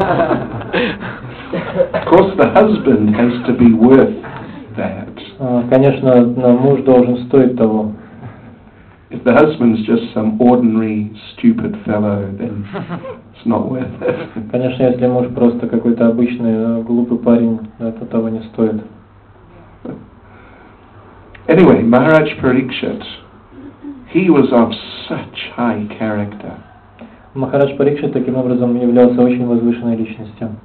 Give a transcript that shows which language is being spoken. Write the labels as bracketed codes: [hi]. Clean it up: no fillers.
[en] Of course, the husband has to be worth that. [ru] Конечно, муж должен стоить того. [en] If the husband is just some ordinary, stupid fellow, then it's not worth it. [ru] Конечно, если муж просто какой-то обычный глупый парень, это того не стоит. [en] Anyway, Maharaj Parikshit, he was of such high character. [ru] Maharaj Parikshit таким образом являлся очень возвышенной личностью.